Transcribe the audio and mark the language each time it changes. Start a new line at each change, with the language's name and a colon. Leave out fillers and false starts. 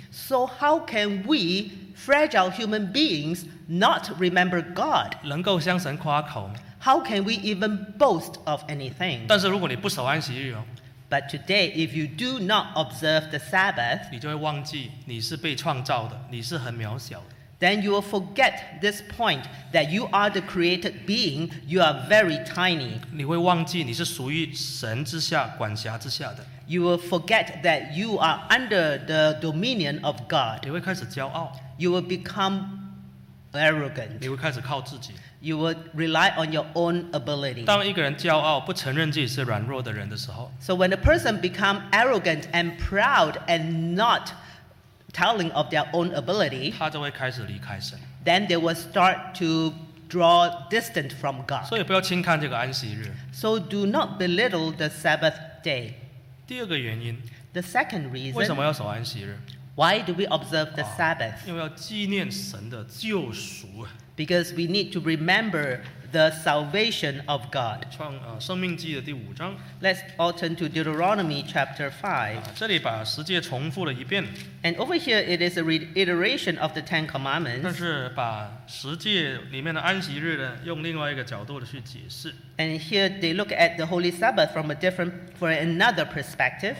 English: So how can we fragile human beings not remember God?
Chinese: 能够向神夸口吗？
English: How can we even boast of anything?
Chinese: 但是如果你不守安息日哦。
English: But today, if you do not observe the Sabbath,
Chinese: 你就会忘记你是被创造的，你是很渺小的。
English: then you will forget this point that you are the created being, you are very tiny.
Chinese: 你会忘记你是属于神之下管辖之下的。
English: You will forget that you are under the dominion of God.
Chinese: 你会开始骄傲。
English: You will become arrogant.
Chinese: 你会开始靠自己。
English: You will rely on your own ability.
Chinese: 当一个人骄傲，不承认自己是软弱的人的时候。
English: So when a person becomes arrogant and proud and not telling of their own ability,
Chinese: 他就会开始离开神。
English: Then they will start to draw distant from God.
Chinese: 所以不要轻看这个安息日。
English: So do not belittle the Sabbath day.
Chinese: 第二个原因,
English: the second reason,
Chinese: 为什么要守安息日?
English: Why do we observe the Sabbath?
Chinese: 因为要纪念神的救赎。
English: Because we need to remember the salvation of God.
Chinese: 创生命记的第五章。
English: Let's all turn to Deuteronomy chapter 5.
Chinese: 这里把十诫重复了一遍。
English: And over here it is a reiteration of the Ten Commandments.
Chinese: 但是把十诫里面的安息日呢，用另外一个角度的去解释。
English: And here they look at the Holy Sabbath from a different, for another perspective.